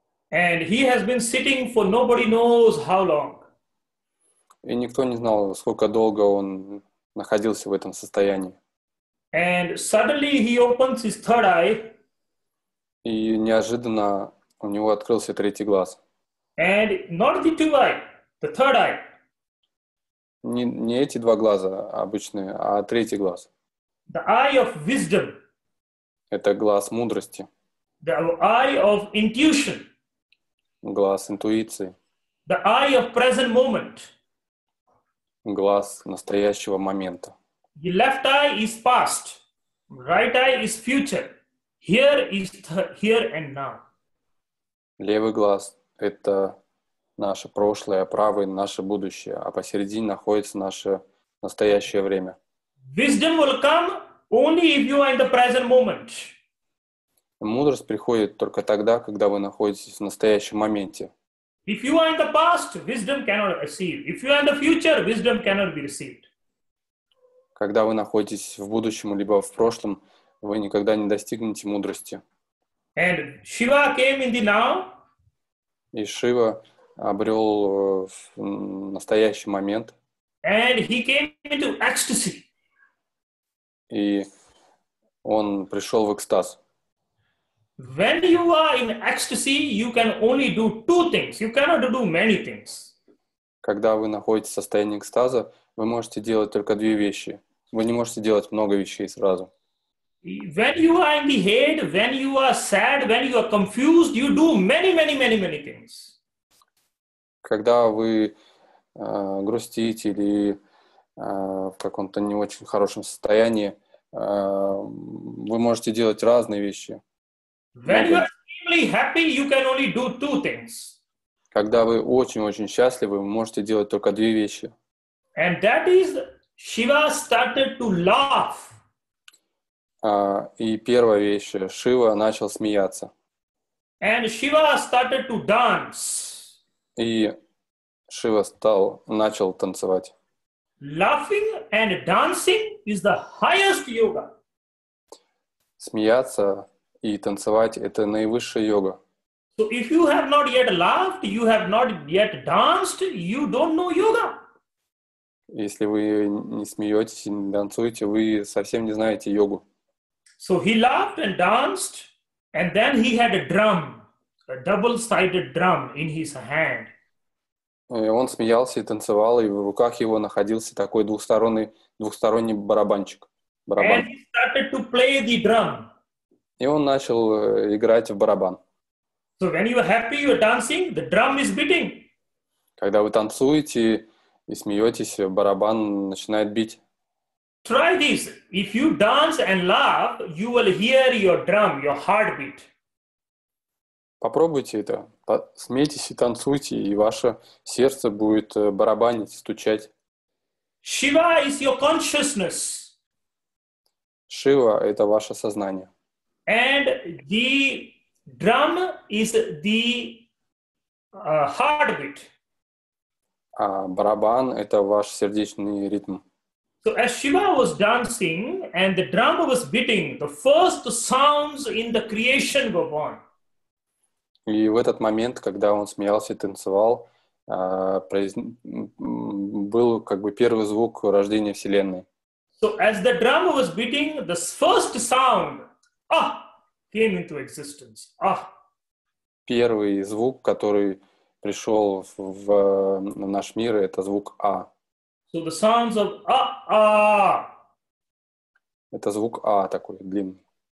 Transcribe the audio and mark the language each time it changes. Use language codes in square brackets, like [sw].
[en] And he has been sitting for nobody knows how long. [ru] И никто не знал, сколько долго он находился в этом состоянии. [en] And suddenly he opens his third eye. [ru] И неожиданно у него открылся третий глаз. [en] And not the two eye, the third eye. [ru] Не эти два глаза обычные, а третий глаз. [en] The eye of wisdom. [ru] Это глаз мудрости. [en] The eye of intuition. [ru] Глаз интуиции. [en] The eye of present moment. [ru] Глаз настоящего момента. [en] The left eye is past. Right eye is future. Here is here and now. [ru] Левый глаз – это наше прошлое, правый – наше будущее, а посередине находится наше настоящее время. [en] Wisdom will come only if you are in the present moment. [ru] Мудрость приходит только тогда, когда вы находитесь в настоящем моменте. [en] If you are in the past, wisdom cannot receive. If you are in the future, wisdom cannot be received. [ru] Когда вы находитесь в будущем либо в прошлом, вы никогда не достигнете мудрости. [en] And Shiva came in the now. [ru] И Шива обрел настоящий момент. [en] And he came into ecstasy. [ru] И он пришел в экстаз. [en] When you are in ecstasy, you can only do two things. You cannot do many things. [ru] Когда вы находитесь в состоянии экстаза, вы можете делать только две вещи. Вы не можете делать много вещей сразу. [en] When you are in the head, when you are sad, when you are confused, you do many, many, many, many things. [ru] Когда вы грустите или в каком-то не очень хорошем состоянии, вы можете делать разные вещи. [en] When you are extremely happy, you can only do two things. [ru] Когда вы очень-очень счастливы, вы можете делать только две вещи. [en] And that is Shiva started to laugh. [ru] И первая вещь, Шива начал смеяться. [en] And Shiva started to dance. [ru] И Шива начал танцевать. [en] Laughing and dancing is the highest yoga. [ru] Смеяться и танцевать – это наивысшая йога. [en] So if you have not yet laughed, you have not yet danced, you don't know yoga. [ru] Если вы не смеетесь и не танцуете, вы совсем не знаете йогу. [en] So he laughed and danced, and then he had a drum, a double-sided drum in his hand. [ru] И он смеялся и танцевал, и в руках его находился такой двухсторонний барабанчик. [en] And he started to play the drum. [ru] И он начал играть в барабан. [en] So when you are happy, you are dancing, the drum is beating. [ru] Когда вы танцуете и смеетесь, барабан начинает бить. [en] Try this. If you dance and laugh, you will hear your drum, your heartbeat. [ru] Попробуйте это. Смейтесь и танцуйте, и ваше сердце будет барабанить, стучать. [en] Shiva is your consciousness. [ru] Шива – это ваше сознание. [en] And the drum is the heartbeat. [ru] А барабан – это ваш сердечный ритм. [en] So as Shiva was dancing and the drum was beating, the first sounds in the creation were born. [ru] И в этот момент, когда он смеялся и танцевал, был как бы первый звук рождения Вселенной. [en] So as the drum was beating, the first sound, ah! Came into existence. Ah. [ru] Первый звук, который пришел в наш мир, это звук А. [en] So the sounds of ah, ah. [ru] Это звук А такой длинный.